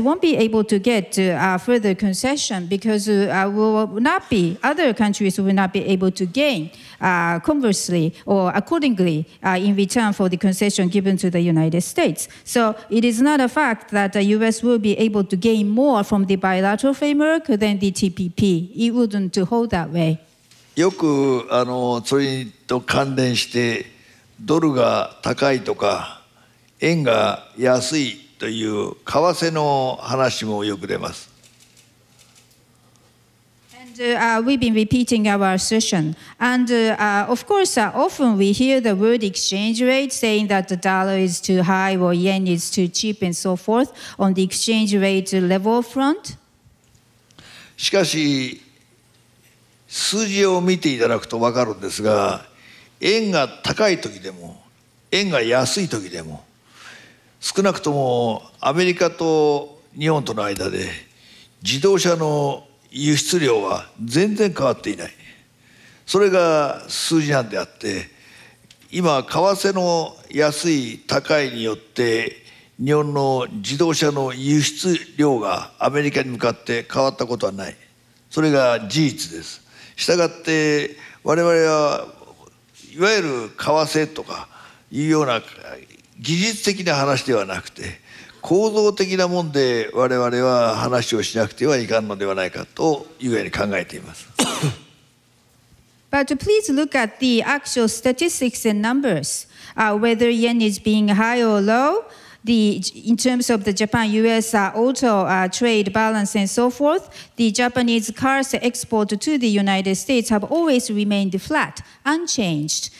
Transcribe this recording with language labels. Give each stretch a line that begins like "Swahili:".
English: won't be able to get further concession, because other countries will not be able to gain conversely or accordingly in return for the concession given to the United States. So it is not a fact that the U.S. will be able to gain more from the bilateral framework than the TPP. It wouldn't hold that way.
Japanese: よくそれと関連してドルが高いとか円が安いという為替の話もよく出ます。
English: And, we've been repeating our assertion. And of course, often we hear the word exchange rate, saying that the dollar is too high or yen is too cheap and so forth on the exchange rate level front.
Japanese: しかし数字を見ていただくと分かるんですが、円が高い時でも円が安い時でも、少なくともアメリカと日本との間で自動車の輸出量は全然変わっていない。それが数字なんであって、今為替の安い高いによって日本の自動車の輸出量がアメリカに向かって変わったことはない。それが事実です。したがって我々はいわゆる為替とかいうような技術的な話ではなくて、構造的なもんで我々は話をしなくてはいかんのではないかというように考えています。
English: But please look at the actual statistics and numbers. Whether yen is being high or low, in terms of the Japan-US auto trade balance and so forth, the Japanese cars export to the United States have always remained flat, unchanged.